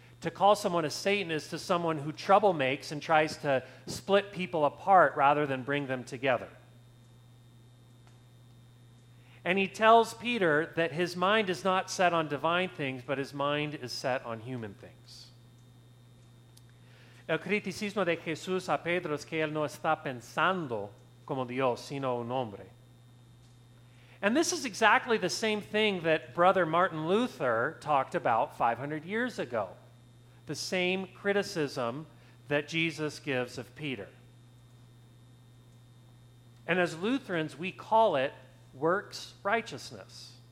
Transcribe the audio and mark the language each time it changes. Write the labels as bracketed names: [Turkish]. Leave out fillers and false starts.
[English] To call someone a Satan is to someone who troublemakes and tries to split people apart rather than bring them together. And he tells Peter that his mind is not set on divine things, but his mind is set on human things. [Spanish] El criticismo de Jesús a Pedro es que él no está pensando como Dios, sino un hombre. [English] And this is exactly the same thing that Brother Martin Luther talked about 500 years ago. The same criticism that Jesus gives of Peter. And as Lutherans, we call it works righteousness.